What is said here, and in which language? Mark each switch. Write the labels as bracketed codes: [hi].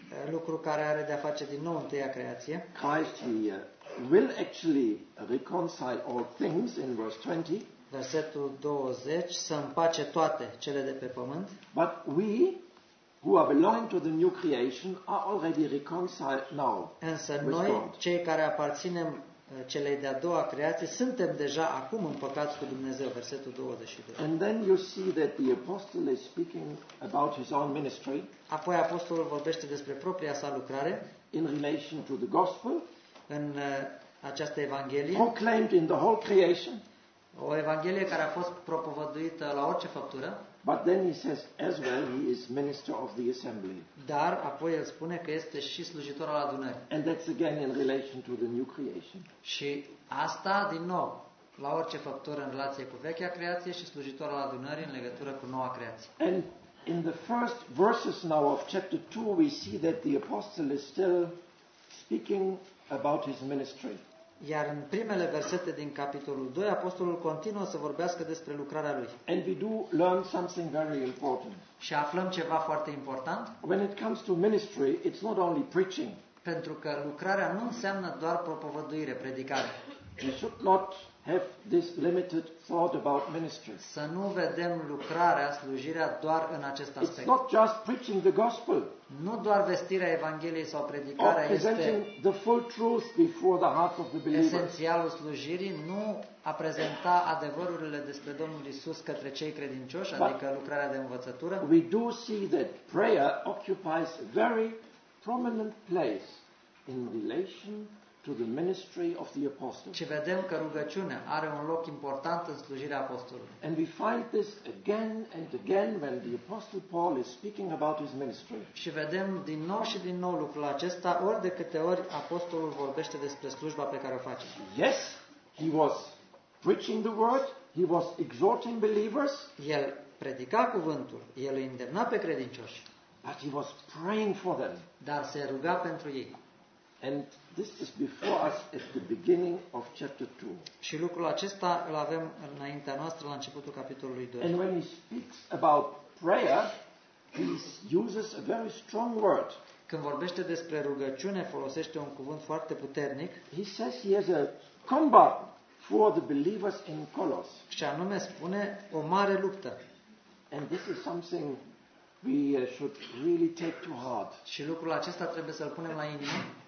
[ro] Lucru care are de a face din nou întâia creație. [en] Christ will actually reconcile all things in verse 20. [ro] Versetul 20, să împace toate cele de pe pământ. [en] But we who are belonging to the new creation are already reconciled now. [ro] Însă noi, cei care aparținem celei de-a doua creație, suntem deja acum împăcați cu Dumnezeu, versetul 22. [en] And then you see that the apostle is speaking about his own ministry. [ro] Apoi apostolul vorbește despre propria sa lucrare [en] in relation to the gospel. [ro] În această evanghelie, [en] proclaimed in the whole creation, [ro] o evanghelie care a fost propovăduită la orice făptură. [en] But then he says as well he is minister of the assembly. [ro] Dar apoi el spune că este și slujitor al adunării. [en] And that's again in relation to the new creation. [ro] Și asta din nou, la orice făptură în relație cu vechea creație și slujitor al adunării în legătură cu noua creație. [en] And in the first verses now of chapter 2 we see that the apostle is still speaking about his ministry. [ro] Iar în primele versete din capitolul 2, apostolul continuă să vorbească despre lucrarea lui. [en] And we do learn something very important. [ro] Și aflăm ceva foarte important. [en] When it comes to ministry, it's not only preaching. [ro] Pentru că lucrarea nu înseamnă doar propovăduire, predicare. [en] We should not have this limited thought about ministry. [ro] Să nu vedem lucrarea, slujirea doar în acest aspect. [en] It's not just preaching the gospel. [ro] Nu doar vestirea evangheliei sau predicarea este [en] presenting the full truth before the hearts of the believers. [ro] Esențialul slujirii, nu a prezenta adevărurile despre Domnul Iisus către cei credincioși, adică lucrarea de învățătură. [en] We do see that prayer occupies a very prominent place in relation to the ministry of the apostle. [ro] Și vedem că rugăciunea are un loc important în slujirea apostolului. [en] And we find this again and again when the apostle Paul is speaking about his ministry. [ro] Și vedem din nou și din nou lucrul acesta ori de câte ori apostolul vorbește despre slujba pe care o face. [en] Yes, he was preaching the word, he was exhorting believers. [ro] El predica cuvântul, el îi îndemna pe credincioși. [en] But he was praying for them. [ro] Dar se ruga pentru ei. [en] And this is before us at the beginning of chapter 2. [ro] Și lucrul acesta îl avem înaintea noastră la începutul capitolului 2. [en] And when he speaks about prayer, he uses a very strong word. [ro] Când vorbește despre rugăciune, folosește un cuvânt foarte puternic. [en] He says he has a combat for the believers in Colossae. [ro] Și anume spune o mare luptă. [en] And this is something we should really take to heart. [ro] Și lucrul acesta trebuie să-l punem la inimă.